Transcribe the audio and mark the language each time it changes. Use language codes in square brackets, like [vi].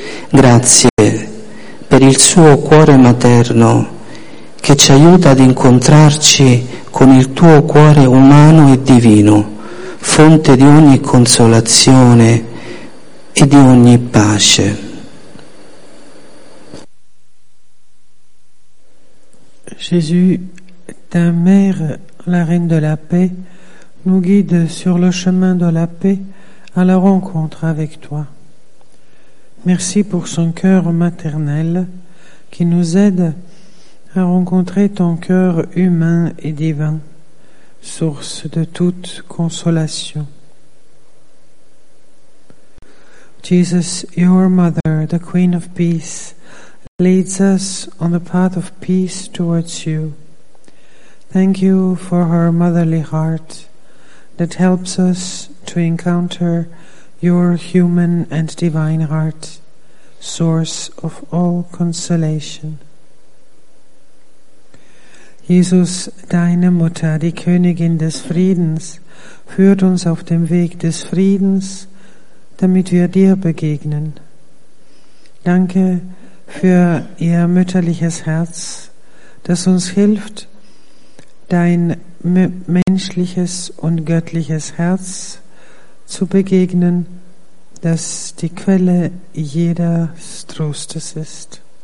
[it] Grazie per il Suo cuore materno che ci aiuta ad incontrarci con il Tuo cuore umano e divino, fonte di ogni consolazione e di ogni pace. [fr] Gesù, Ta mère, la reine de la paix, nous guide sur le chemin de la paix à la rencontre avec Toi. Merci pour son cœur maternel qui nous aide à rencontrer Ton cœur humain et divin, source de toute consolation. [en] Jesus, Your Mother, the Queen of Peace, leads us on the path of peace towards You. Thank You for her motherly heart that helps us to encounter Your human and divine heart, source of all consolation. [de] Jesus, Deine Mutter, die Königin des Friedens, führt uns auf dem Weg des Friedens, damit wir Dir begegnen. Danke für Ihr mütterliches Herz, das uns hilft, Dein menschliches und göttliches Herz zu begegnen, das die Quelle jedes Trostes ist.